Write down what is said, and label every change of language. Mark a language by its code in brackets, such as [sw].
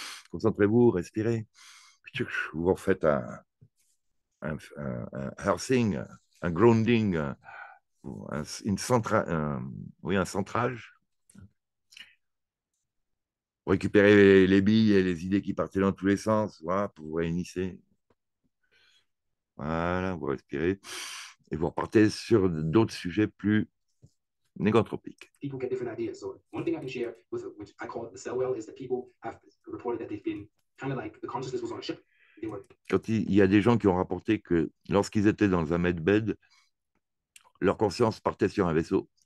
[fr] Concentrez-vous, respirez. Vous vous faites un hearthing, un grounding, un centrage. Récupérer les billes et les idées qui partaient dans tous les sens, voilà, pour vous réinitier. Voilà, vous respirez et vous repartez sur d'autres sujets plus négantropiques. [en] People get different ideas. So one thing I can share with which I call the cell well is that people have reported that they've been kind of like the consciousness was on a ship. They were. [fr] Quand il y a des gens qui ont rapporté que lorsqu'ils étaient dans un medbed, leur conscience partait sur un vaisseau.